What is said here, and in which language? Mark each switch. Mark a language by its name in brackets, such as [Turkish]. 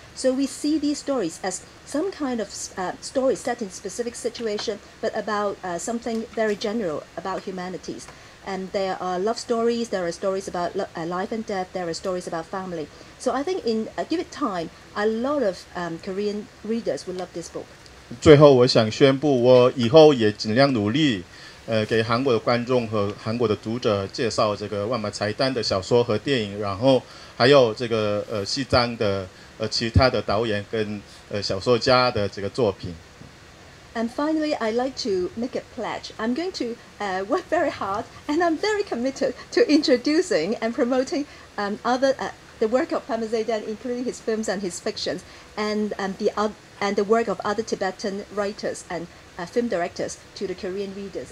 [English] So we see these stories as some kind of stories set in specific situation, but about something very general about humanities. And there are love stories, there are stories about life and death, there are stories about family. So I think in give it time, a lot of Korean readers would love this book. [Chinese] 最后我想宣布，我以后也尽量努力给韩国的观众和韩国的读者介绍这个万马财丹的小说和电影，然后还有这个西藏的其他的导演跟小说家的这个作品。 [English] And finally, I'd like to make a pledge. I'm going to work very hard, and I'm very committed to introducing and promoting the work of Pema Tseden, including his films and his fictions, and the work of other Tibetan writers and film directors to the Korean readers.